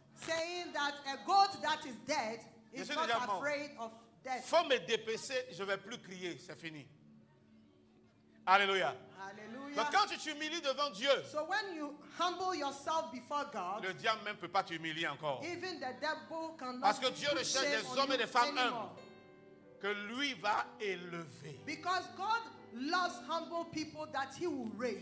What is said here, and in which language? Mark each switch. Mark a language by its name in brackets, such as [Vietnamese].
[English] Saying that a goat that is dead is not afraid of death. [French] Faut me dépecer, je vais plus crier, c'est fini. Alléluia. Alléluia. Mais quand tu t'humilies devant Dieu, [English] so when you humble yourself before God, [French] le diable même peut pas t'humilier encore. [English] Even the devil cannot. [French] Parce que Dieu recherche des hommes et des femmes humbles que lui va élever. [English] Because God loves humble people that he will raise.